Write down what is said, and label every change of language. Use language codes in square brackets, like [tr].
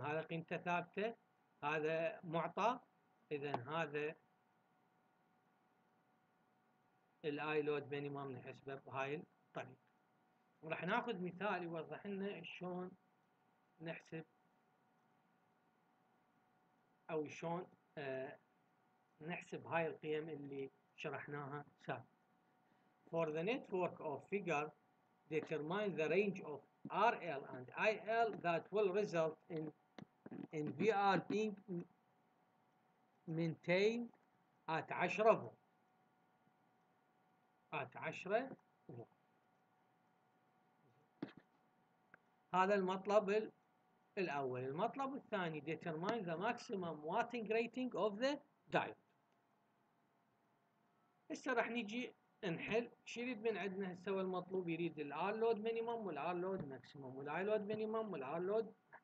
[ar] هذا قيمته ثابته، هذا معطى، اذا هذا الاي لود مينيموم نحسبه بهاي الطريقه. وراح ناخذ مثال يوضح لنا شلون نحسب او شلون نحسب هاي القيم اللي شرحناها سابقا. [en] For the network of figure determine the range of RL and IL that will result in VR being maintained at 10 volt. At 10 volt. [ar] هذا المطلب الأول. المطلب الثاني [en] determine the maximum wattage rating of the diode. [ar] هسه راح نجي نحل. شو يريد من عندنا هسه؟ المطلوب يريد الار لود مينيمم والار لود ماكسيمم والاي لود مينيمم والار لود.